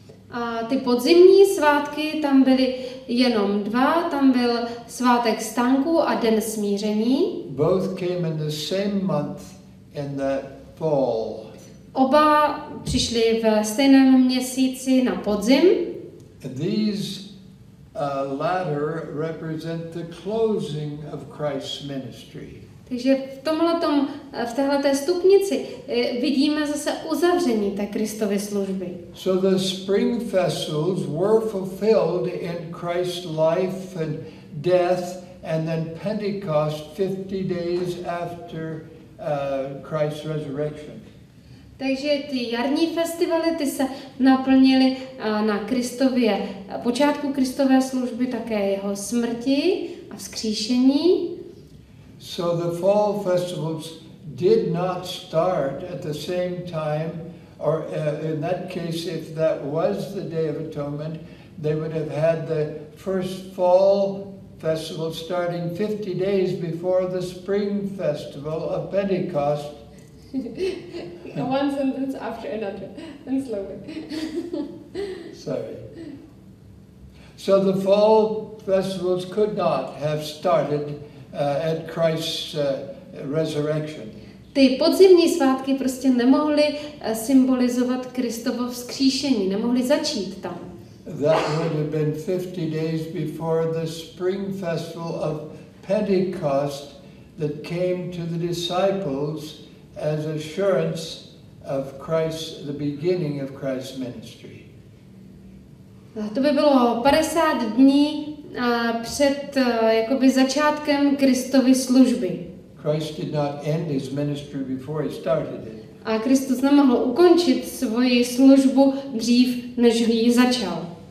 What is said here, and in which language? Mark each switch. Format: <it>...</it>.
<cs>A ty podzimní svátky, tam byly jenom dva, tam byl svátek stanku a den smíření.</cs> <en>Both came in the same month in that fall.</en> <cs>Oba přišli v stejném měsíci na podzim.</cs> <en>These latter represent the closing of Christ's ministry.</en> <cs>Takže v tomhletom, v téhleté stupnici vidíme zase uzavření té Kristovy služby.</cs> <en>So the spring festivals were fulfilled in Christ's life and death and then Pentecost 50 days after Christ's resurrection.</en> <cs>Takže ty jarní festivaly, ty se naplnily na Kristově, počátku Kristové služby, také jeho smrti a vzkříšení.</cs> <en>So the fall festivals did not start at the same time Or in that case, if that was the Day of Atonement, they would have had the first fall festival starting 50 days before the spring festival of Pentecost. One sentence after another, and slowly. Sorry. So the fall festivals could not have started at Christ's resurrection.</en> <cs>Ty podzimní svátky prostě nemohly symbolizovat Kristovo vzkříšení, nemohly začít tam.</cs> <en>That would have been 50 days before the spring festival of Pentecost that came to the disciples as assurance of Christ, the beginning of Christ's ministry.</en> <cs>To by bylo 50 dní před jakoby začátkem Kristovy služby.</cs> <en>Christ did not end his ministry before he started it.</en> <cs>A Kristus nemohl ukončit svoji službu dřív, než ji začal.</cs>